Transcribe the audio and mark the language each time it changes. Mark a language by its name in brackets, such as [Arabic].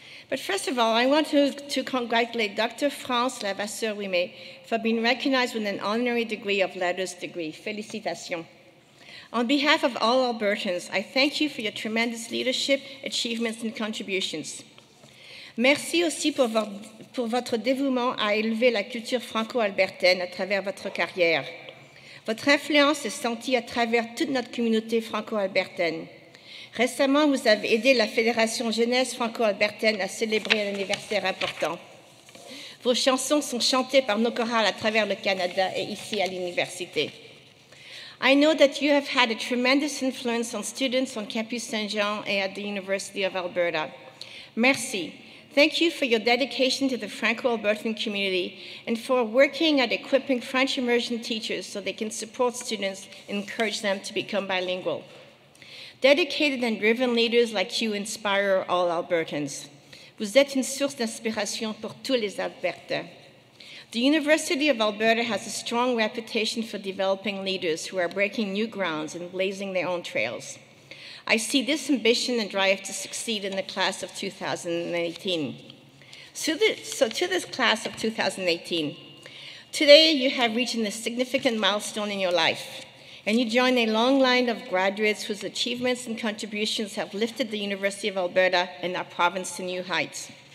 [English] But first of all, I want to congratulate Dr. France Levasseur-Ouimet for being recognized with an honorary degree of Lettres degree. Félicitations. On behalf of all Albertans, I thank you for your tremendous leadership, achievements, and contributions. [French] Merci aussi pour votre dévouement à élever la culture franco-albertaine à travers votre carrière. Votre influence est sentie à travers toute notre communauté franco-albertaine. Récemment, vous avez aidé la Fédération Jeunesse franco-albertaine à célébrer un anniversaire important. Vos chansons sont chantées par nos chorales à travers le Canada et ici à l'université. [English] I know that you have had a tremendous influence on students on Campus Saint-Jean and at the University of Alberta. Merci. Thank you for your dedication to the Franco-Albertan community and for working at equipping French immersion teachers so they can support students and encourage them to become bilingual. Dedicated and driven leaders like you inspire all Albertans. [French] Vous êtes une source d'inspiration pour tous les Albertains. [English] The University of Alberta has a strong reputation for developing leaders who are breaking new grounds and blazing their own trails. I see this ambition and drive to succeed in the class of 2018. So to this class of 2018, today you have reached a significant milestone in your life, and you join a long line of graduates whose achievements and contributions have lifted the University of Alberta and our province to new heights.